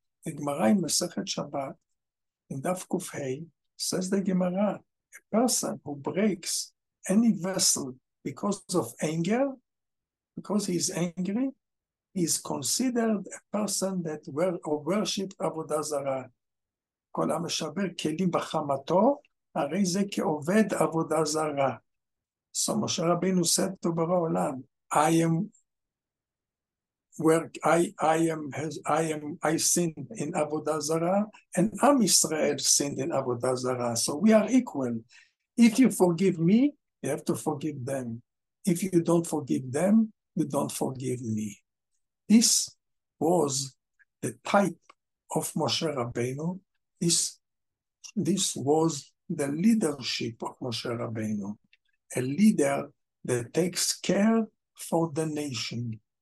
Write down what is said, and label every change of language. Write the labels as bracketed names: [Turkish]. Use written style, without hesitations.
[English] The Gemara in Masechet Shabbat, in Daf Kuf Hei, says the Gemara, a person who breaks any vessel because of anger, because he is angry, he is considered a person that worshipped Avodah Zarah. [Hebrew] כל המשבר כלים בחמתו, הרי זה כעובד עבודה זרה. [English] So משה רבינו said to ברא עולם, I sinned in עבודה זרה, and I'm Israel sinned in עבודה זרה. So we are equal. If you forgive me, you have to forgive them. If you don't forgive them, you don't forgive me. This was the type of משה רבינו. This was the leadership of Moshe Rabbeinu, a leader that takes care for the nation.